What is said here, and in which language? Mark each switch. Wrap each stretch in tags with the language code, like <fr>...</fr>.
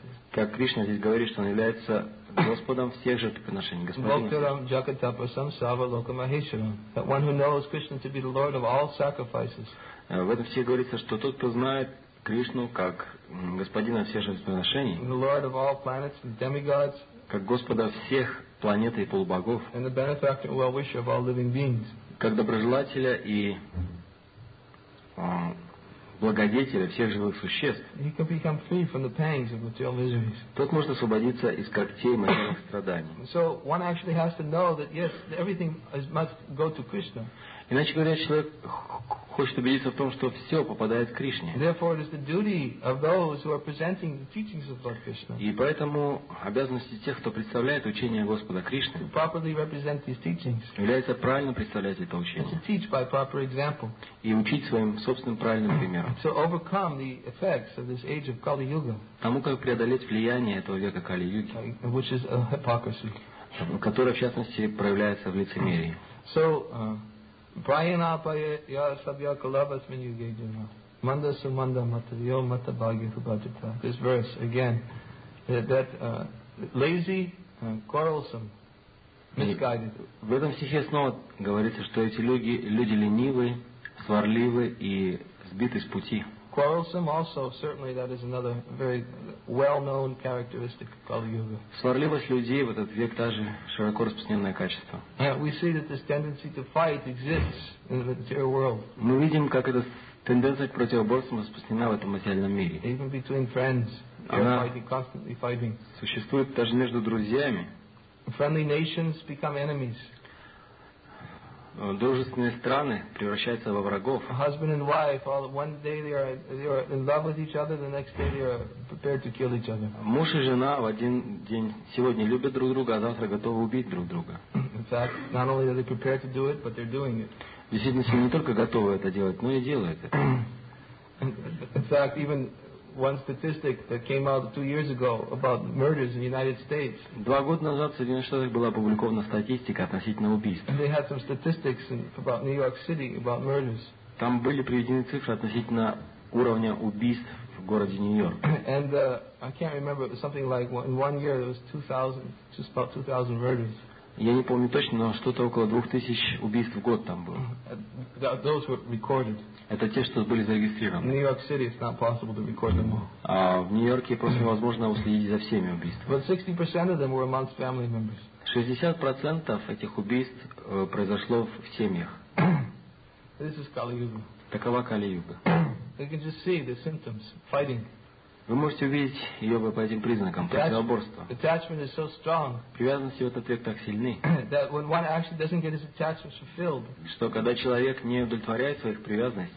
<ru>Как Кришна здесь говорит, что он является Господом всех жертвоприношений, Господином.</ru> <sa>Jagatapasam Sava Loka Maheshwaram.</sa> <en>That one who knows Krishna to be the Lord of all sacrifices.</en> <ru>В этом все говорится, что тот, кто знает Кришну как Господина всех жертвоприношений,</ru> <en>the Lord of all planets and demigods,</en> <ru>как Господа всех планет и полубогов,</ru> <en>and the benefactor and well-wisher of all living beings.</en> <ru>Как доброжелателя и благодетеля всех живых существ.</ru> <en>He can become free from the pangs of material miseries.</en> <ru>Тот может освободиться из когтей материальных страданий.</ru> <en>So one actually has to know that yes, everything must go to Krishna.</en> <ru>Иначе говоря, человек хочет убедиться в том, что все попадает к Кришне.</ru> <en>Therefore, it is the duty of those who are presenting the teachings of Lord Krishna.</en> <ru>И поэтому обязанности тех, кто представляет учение Господа Кришны,</ru> <en>to properly represent these teachings.</en> <ru>Является правильно представлять это учение.</ru> <en>To teach by proper example.</en> <ru>И учить своим собственным правильным примером.</ru> <en>To overcome the effects of this age of Kali Yuga.</en> <ru>Тому, как преодолеть влияние этого века Кали Юги,</ru> <en>which is a hypocrisy.</en> <ru>Которое, в частности, проявляется в лицемерии.</ru> <sa>So Brayanapaya Sabya Kalabas Minyu Gajana. Manda Sumanda Matavyo Mata Bhagya Hubajita.</sa> <en>This verse again. That lazy, quarrelsome, misguided.</en> <ru>В этом стихе снова говорится, что эти люди ленивы, сварливы и сбиты с пути.</ru> <en>Quarrelsome also, certainly that is another very well known characteristic of Kali Yuga.</en> <ru>Сварливость людей в этот век также широко распространенное качество.</ru> <en>We see that this tendency to fight exists in the material world.</en> <ru>Мы видим, как эта тенденция к противоборствам распространена в этом материальном мире.</ru> <en>Even between friends, they're fighting, constantly fighting.</en> <ru>Существует даже между друзьями.</ru> <en>Friendly nations become enemies.</en> <ru>Дружественные страны превращаются во врагов.</ru> <en>Husband and wife, all one day they are in love with each other, the next day they are prepared to kill each other.</en> <ru>Муж и жена в один день сегодня любят друг друга, а завтра готовы убить друг друга.</ru> <en>In fact, not only are they prepared to do it, but they're doing it.</en> <ru>Действительно, они не только готовы это делать, но и делают это.</ru> <en>In fact, even one statistic that came out 2 years ago about murders in the United States.</en> <ru>2 года назад в Соединенных Штатах была опубликована статистика относительно убийств.</ru> <en>They had some statistics about New York City about murders.</en> <ru>Там были приведены цифры относительно уровня убийств в городе Нью-Йорк.</ru> <en>And I can't remember, it was something like in 1 year there was 2,000, just about 2,000 murders.</en> <ru>Я не помню точно, но что-то около 2000 убийств в год там было.</ru> <en>Those were recorded.</en> <ru>Это те, что были зарегистрированы.</ru> <en>In New York City it's not possible to record them all.</en> <ru>А в Нью-Йорке просто невозможно уследить за всеми убийствами.</ru> <en>But 60% of them were amongst family members.</en> <ru>60% этих убийств произошло в семьях.</ru> <en>This is Kali-Yuga.</en> <ru>Такова Кали-Юга.</ru> <en>You can just see the symptoms, fighting.</en> <ru>Вы можете увидеть ее по этим признакам, противоборство.</ru> <en>Attachment is so strong.</en> <ru>Привязанности в этот век так сильны,</ru> <en>that when one actually doesn't get his attachment fulfilled,</en> <ru>что когда человек не удовлетворяет своих привязанностей,</ru>